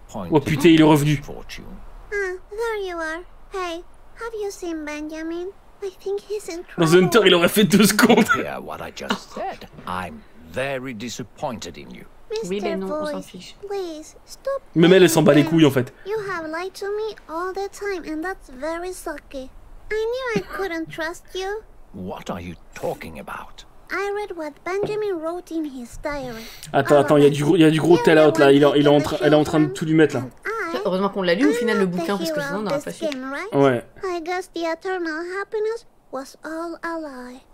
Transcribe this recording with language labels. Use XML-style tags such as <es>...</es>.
<fr>Oh putain, il est revenu.</fr> <en>There you are. Hey, have you seen Benjamin? I think he's in trouble.</en> <fr>Dans Hunter, il aurait fait deux secondes.</fr> <en>Yeah, what I just said. I'm very disappointed in you.</en> <fr>Oui, mais non,</fr> <en>Voice,</en> <fr>on s'en fiche.</fr> <en>Please, stop.</en> <fr>Mais elle s'en bat les couilles en fait.</fr> <en>You have lied to me all the time and that's very sucky. I knew I couldn't trust you. What are you talking about? I read what Benjamin wrote in his diary.</en> <fr>Attends, attends, il y a du gros tell out là, elle est en train de tout lui mettre là. Heureusement qu'on l'a lu au final le bouquin parce que sinon on n'aurait pas su. Ouais.</fr> <en>I guess the eternal happiness was all a lie.</en>